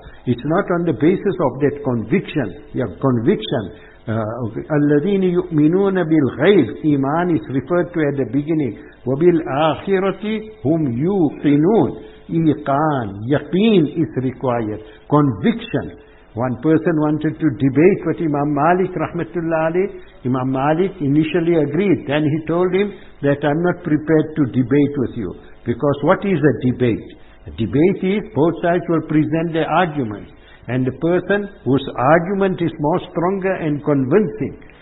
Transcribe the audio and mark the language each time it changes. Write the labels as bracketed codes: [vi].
[en] It's not on the basis of that conviction. Your conviction. [ar] الَّذِينِ يُؤْمِنُونَ بِالْغَيْبِ [en] Iman is referred to at the beginning. [ar] وَبِالْآخِرَةِ هُمْ يُوْقِنُونَ إِيقَان [en] Yaqeen is required. Conviction. One person wanted to debate with Imam Malik, rahmatullah alayh. Imam Malik initially agreed. Then he told him that I'm not prepared to debate with you. Because what is a debate? A debate is both sides will present their arguments. And the person whose argument is more stronger and convincing.